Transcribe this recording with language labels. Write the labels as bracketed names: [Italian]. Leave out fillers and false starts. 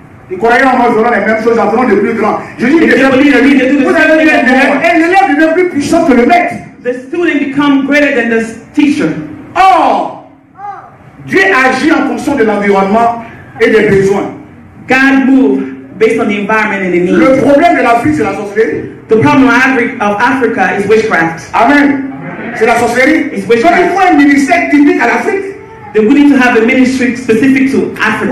[French] Ils croyaient en moi, ils feront les mêmes choses, ils feront de plus grands. Jésus dit, vous avez un élève, un élève devient plus puissant que le maître. [English] The student become greater than the teacher. [French] Or, Dieu agit en fonction de l'environnement et des besoins. [English] God move based on the environment and the need. [French] Le problème de l'Afrique, c'est la sorcellerie. [English] The problem of Africa is witchcraft. [French] Amen. C'est la sorcellerie. [English] It's witchcraft. [French] Donc, il faut un ministère typique à l'Afrique. [English] Then we need to have a ministry specific to Africa.